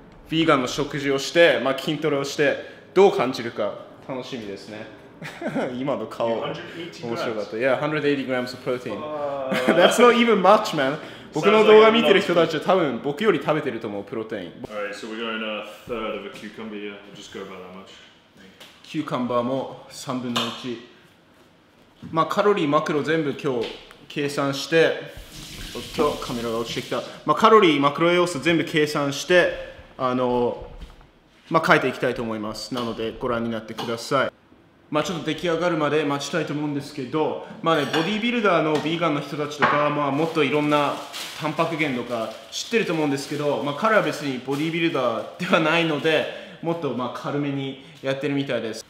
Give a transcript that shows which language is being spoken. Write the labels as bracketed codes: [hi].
[ja] ヴィーガンの食事をして、まあ筋トレをしてどう感じるか楽しみですね。今の顔面白かった。 [en] Yeah, 180 grams of protein. That's not even much, man. [ja] 僕の動画見てる人たちは多分僕より食べてると思う、プロテイン。 [en] Alright, so we're going a third of a cucumber here. We'll just go about that much. [ja] キューカンバーも3分の1。まあカロリー、マクロ全部今日計算して、おっとカメラが落ちてきた。まあカロリー、マクロ栄養素全部計算して、まあ書いていきたいと思います。なのでご覧になってください。まあ、ちょっと出来上がるまで待ちたいと思うんですけど、まあね、ボディービルダーのヴィーガンの人たちとか、まあ、もっといろんなタンパク源とか知ってると思うんですけど、まあ、彼は別にボディービルダーではないので、もっとまあ軽めにやってるみたいです。